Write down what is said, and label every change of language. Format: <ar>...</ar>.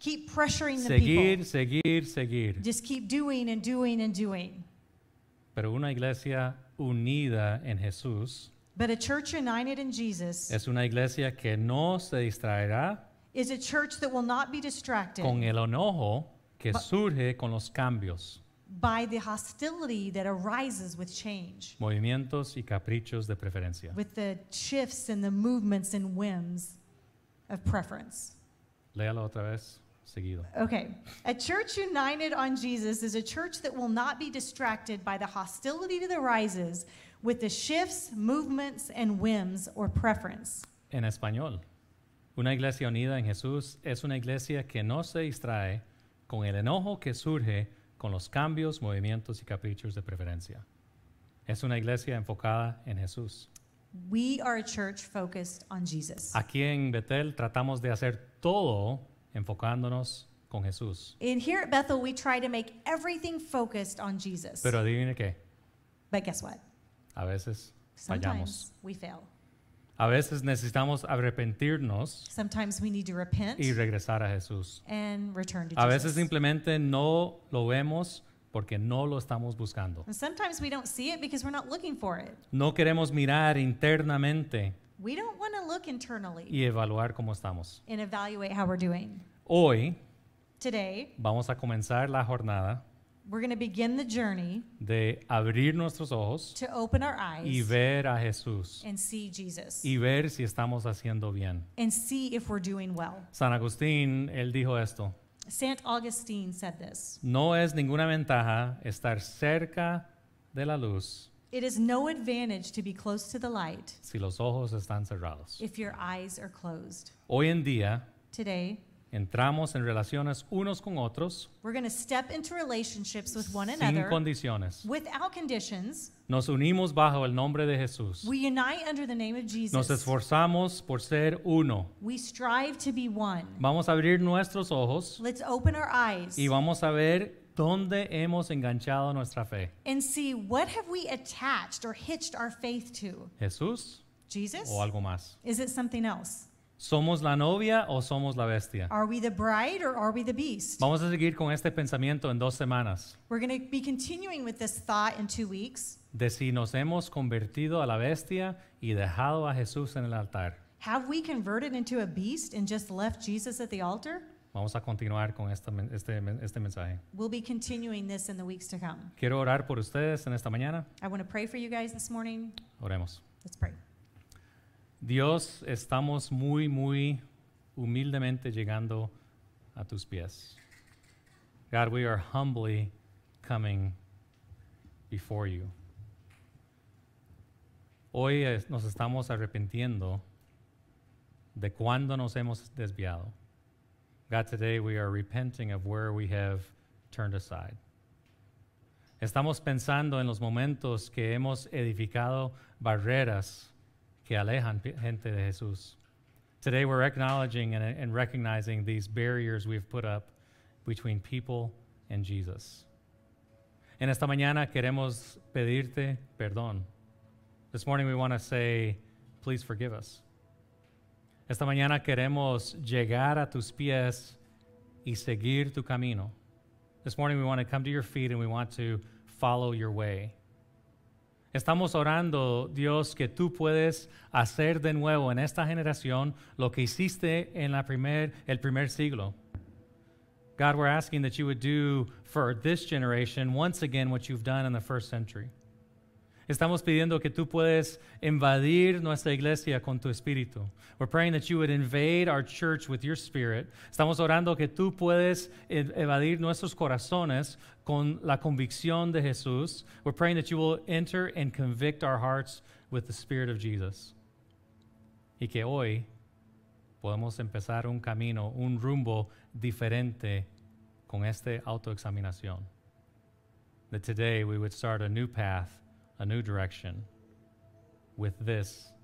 <en>Keep pressuring the</en> <es>seguir,</es> <en>people.</en> <es>Seguir, seguir.</es> <en>Just keep doing and doing and doing.</en> <es>Pero una iglesia unida en Jesús.</es> <en>But a church united in Jesus.</en> <es>Es una iglesia que no se distraerá.</es> <en>Is a church that will not be distracted.</en> <es>Con el enojo que surge con los cambios.</es> <en>By the hostility that arises with change.</en> <es>Movimientos y caprichos de preferencia.</es> <en>With the shifts and the movements and whims of preference.</en> <es>Léalo otra vez.</es> <en>Okay. A church united on Jesus is a church that will not be distracted by the hostility that arises with the shifts, movements, and whims or preference.</en> <es>En español, una iglesia unida en Jesús es una iglesia que no se distrae con el enojo que surge con los cambios, movimientos, y caprichos de preferencia. Es una iglesia enfocada en Jesús.</es> <en>We are a church focused on Jesus.</en> <es>Aquí en Bethel tratamos de hacer todo enfocándonos con Jesús.</es> <en>And here at Bethel, we try to make everything focused on Jesus.</en> <es>Pero adivine qué.</es> <en>But guess what?</en> <es>A veces</es> <en>sometimes</en> <es>fallamos.</es> <en>We fail.</en> <es>A veces necesitamos arrepentirnos.</es> <en>Sometimes we need to repent.</en> <es>Y regresar a Jesús.</es> <en>And return to a Jesus.</en> <es>A veces simplemente no lo vemos porque no lo estamos buscando.</es> <en>And sometimes we don't see it because we're not looking for it.</en> <es>No queremos mirar internamente.</es> <en>We don't want to look internally</en> <es>y evaluar cómo estamos.</es> <en>And evaluate how we're doing.</en> <es>Hoy,</es> <en>today,</en> <es>vamos a comenzar la jornada.</es> <en>We're going to begin the journey</en> <es>de abrir nuestros ojos,</es> <en>to open our eyes</en> <es>y ver a Jesús,</es> <en>and see Jesus</en> <es>y ver si estamos haciendo bien,</es> <en>and see if we're doing well.</en> <es>San Agustín, él dijo esto.</es> <en>Saint Augustine said this.</en> <es>No es ninguna ventaja estar cerca de la luz.</es> <en>It is no advantage to be close to the light</en> <es>si los ojos están cerrados.</es> <en>If your eyes are closed.</en> <es>Hoy en día,</es> <en>today,</en> <es>entramos en relaciones unos con otros.</es> <en>We're going to step into relationships with one</en> <es>sin</es> <en>another.</en> <es>Sin condiciones.</es> <en>Without conditions.</en> <es>Nos unimos bajo el nombre de Jesús.</es> <en>We unite under the name of Jesus.</en> <es>Nos esforzamos por ser uno.</es> <en>We strive to be one.</en> <es>Vamos a abrir nuestros ojos.</es> <en>Let's open our eyes.</en> <es>Y vamos a ver ¿dónde hemos enganchado nuestra fe?</es> <en>And see, what have we attached or hitched our faith to?</en> <es>¿Jesús?</es> <en>¿Jesus?</en> <es>¿O algo más?</es> <en>Is it something else?</en> <es>¿Somos la novia o somos la bestia?</es> <en>Are we the bride or are we the beast?</en> <es>Vamos a seguir con este pensamiento en dos semanas.</es> <en>We're going to be continuing with this thought in 2 weeks.</en> <es>De si nos hemos convertido a la bestia y dejado a Jesús en el altar.</es> <en>Have we converted into a beast and just left Jesus at the altar?</en> <es>Vamos a continuar con este mensaje.</es> <en>We'll be continuing this in the weeks to come.</en> <es>Quiero orar por ustedes en esta mañana.</es> <en>I want to pray for you guys this morning.</en> <es>Oremos.</es> <en>Let's pray.</en> <es>Dios, estamos muy, muy humildemente llegando a tus pies.</es> <en>God, we are humbly coming before you.</en> <es>Hoy nos estamos arrepintiendo de cuando nos hemos desviado.</es> <en>God, today we are repenting of where we have turned aside.</en> <es>Estamos pensando en los momentos que hemos edificado barreras que alejan gente de Jesús.</es> <en>Today we're acknowledging and recognizing these barriers we've put up between people and Jesus.</en> <es>En esta mañana queremos pedirte perdón.</es> <en>This morning we want to say, please forgive us.</en> <es>Esta mañana queremos llegar a tus pies y seguir tu camino.</es> <en>This morning we want to come to your feet and we want to follow your way.</en> <es>Estamos orando, Dios, que tú puedes hacer de nuevo en esta generación lo que hiciste en el primer siglo.</es> <en>God, we're asking that you would do for this generation once again what you've done in the first century.</en> <es>Estamos pidiendo que tú puedes invadir nuestra iglesia con tu espíritu.</es> <en>We're praying that you would invade our church with your spirit.</en> <es>Estamos orando que tú puedes invadir nuestros corazones con la convicción de Jesús.</es> <en>We're praying that you will enter and convict our hearts with the spirit of Jesus.</en> <es>Y que hoy podemos empezar un camino, un rumbo diferente con esta autoexaminación.</es> <en>That today we would start a new path, a new direction with this</en>